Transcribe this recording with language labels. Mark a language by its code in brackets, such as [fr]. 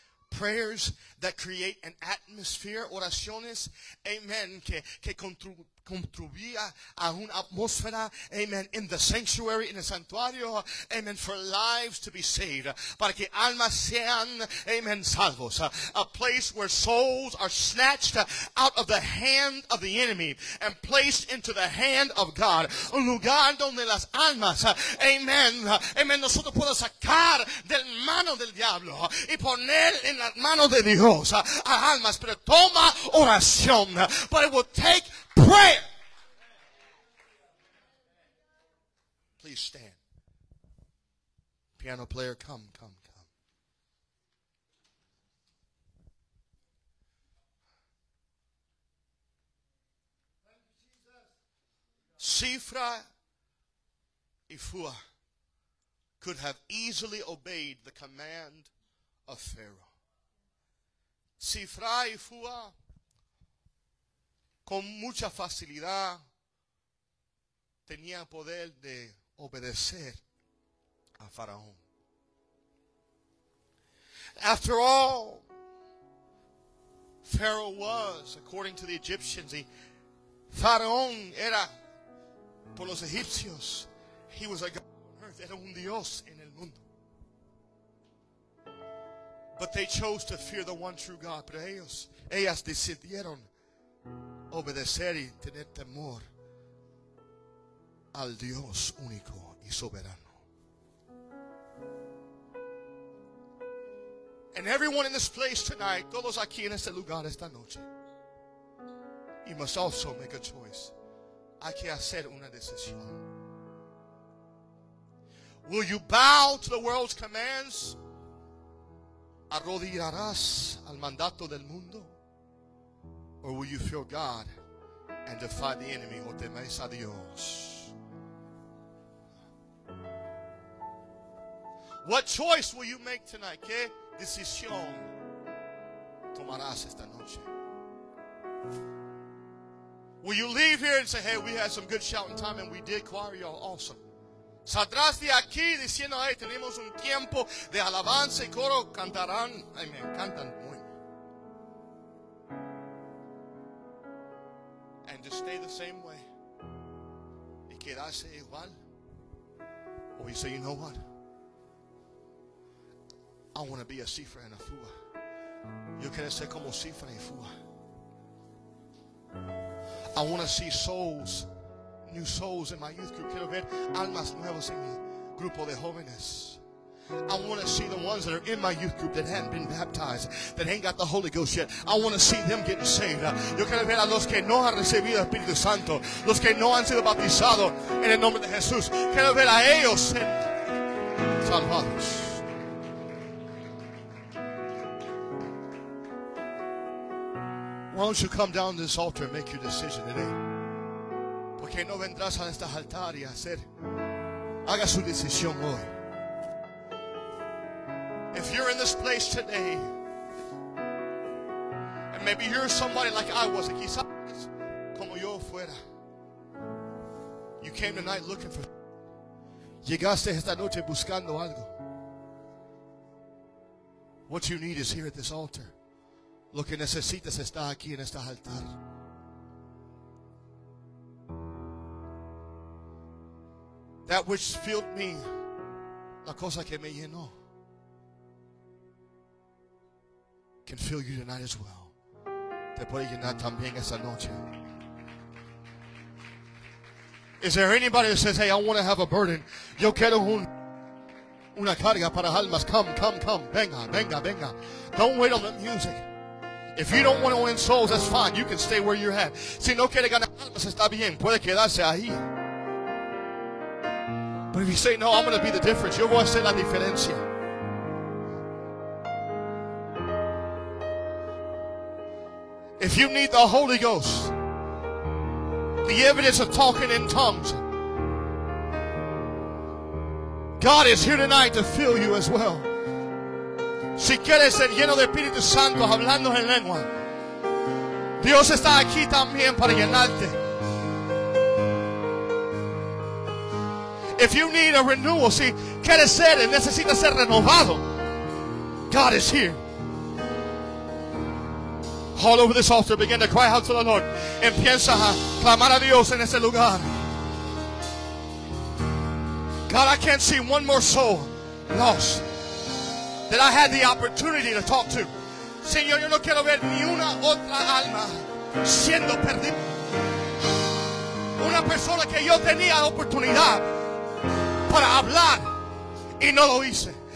[en] Prayers that create an atmosphere. [es] Oraciones, amen, que contribuye a una atmósfera, amen, [en] in the sanctuary, in the santuario, amen, for lives to be saved. [es] Para que almas sean, amen, salvos. [en] A place where souls are snatched out of the hand of the enemy and placed into the hand of God. [es] Un lugar donde las almas, amen, amen, nosotros podemos sacar del mano del diablo y poner en las manos de Dios a almas. Pero toma oración. [en] But it will take prayer. Please stand. Piano player, come, come, come. Thank you, Jesus. Sifra y Fua could have easily obeyed the command of Pharaoh. [es] Sifra y Fua, con mucha facilidad, tenía poder de obedecer a Faraón. [en] After all, Pharaoh was, according to the Egyptians, [es] Faraón era, por los egipcios, [en] he was a god on earth, [es] era un dios en el mundo. [en] But they chose to fear the one true God. [es] Pero ellas decidieron obedecer y tener temor al Dios único y soberano. [en] And everyone in this place tonight, [es] todos aquí en este lugar esta noche, [en] you must also make a choice. [es] Hay que hacer una decisión. [en] Will you bow to the world's commands? [es] ¿Arrodillarás al mandato del mundo? [en] Or will you feel God and defy the enemy? [es] O temáis a Dios. [en] What choice will you make tonight? [es] ¿Qué decisión tomarás esta noche? [en] Will you leave here and say, hey, we had some good shouting time and we did choir, y'all, awesome. [es] Saldrás de aquí diciendo, hey, tenemos un tiempo de alabanza y coro, cantarán, ay, me encantan muy. [en] And to stay the same way, [es] y quedarse igual. [en] Or you say, you know what? I want to be a cifra and a fua. [es] Yo quiero ser como cifra y fua. [en] I want to see souls, new souls in my youth group. [es] Quiero ver almas nuevas en mi grupo de jóvenes. [en] I want to see the ones that are in my youth group that haven't been baptized, that ain't got the Holy Ghost yet. I want to see them getting saved. [es] Yo quiero ver a los que no han recibido el Espíritu Santo, los que no han sido bautizados en el nombre de Jesús. Quiero ver a ellos salvados. [en] Why don't you come down to this altar and make your decision today? [es] ¿Por qué no vendrás a este altar y hacer, haga su decisión hoy? [en] If you're in this place today, and maybe you're somebody like I was, [es] quizás como yo fuera, [en] you came tonight looking for, [es] llegaste esta noche buscando algo. [en] What you need is here at this altar. [es] Lo que necesitas está aquí en este altar. [en] That which filled me, [es] la cosa que me llenó, [en] can fill you tonight as well. [es] Te puede llenar también esta noche. [en] Is there anybody that says, hey, I want to have a burden? [es] Yo quiero una carga para almas. [en] Come. [es] Venga. [en] Don't wait on the music. If you don't want to win souls, that's fine. You can stay where you're at. [es] Si no quiere ganar almas, está bien. Puede quedarse ahí. [en] But if you say, no, I'm going to be the difference, [es] yo voy a ser la diferencia. [en] If you need the Holy Ghost, the evidence of talking in tongues, God is here tonight to fill you as well. [es] Si quieres ser lleno de Espíritu Santo hablando en lengua, Dios está aquí también para llenarte. [en] If you need a renewal, [es] si quieres ser y necesitas ser renovado, [en] God is here. All over this altar, begin to cry out to the Lord. [es] Empieza a clamar a Dios en ese lugar. [en] God, I can't see one more soul lost that I had the opportunity to talk to. [es] Señor, yo no quiero ver ni una otra alma siendo perdida. Una persona que yo tenía oportunidad para hablar y no lo hice.